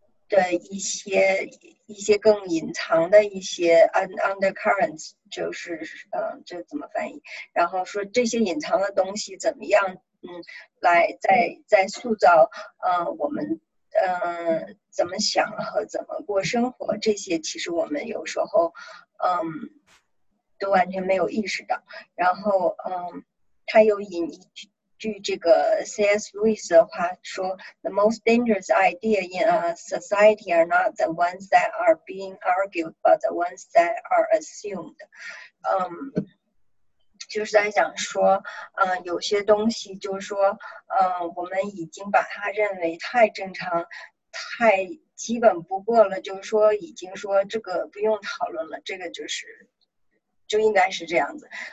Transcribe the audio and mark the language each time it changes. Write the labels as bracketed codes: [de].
[zh] 的一些更隐藏的一些 undercurrents， 就是这怎么翻译，然后说这些隐藏的东西怎么样来在塑造我们怎么想和怎么过生活，这些其实我们有时候都完全没有意识到。然后他又引一句这个 C.S. [en] Lewis [zh] 的话说 [en] The most dangerous idea in a society are not the ones that are being argued but the ones that are assumed。 [zh] 就是在讲说有些东西就是说我们已经把它认为太正常太基本不过了，就是说已经说这个不用讨论了，这个就应该是这样子。